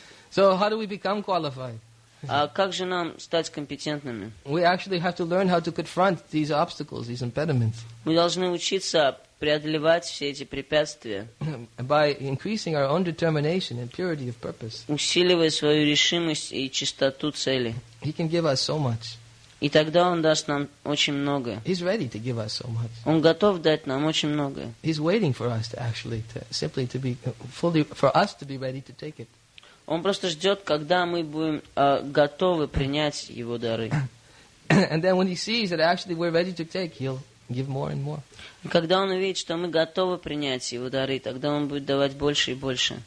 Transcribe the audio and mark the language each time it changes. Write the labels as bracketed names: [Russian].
[English] So how do we become qualified? [Russian] А как же нам стать компетентными? [English] We actually have to learn how to confront these obstacles, these impediments. [Russian] Мы должны учиться преодолевать все эти препятствия. [English] By increasing our own determination and purity of purpose. [Russian] Усиливая свою решимость и чистоту цели. [English] He can give us so much. [Russian] И тогда он даст нам очень многое. [English] He's ready to give us so much. [Russian] Он готов дать нам очень многое. [English] He's waiting for us to actually to simply to be fully for us to be ready to take it. [Russian] Он просто ждет, когда мы будем готовы принять его дары. [English] And then when he sees that actually we're ready to take, he'll give more and more. [Russian] Когда он увидит, что мы готовы принять его дары, тогда он будет давать больше и больше.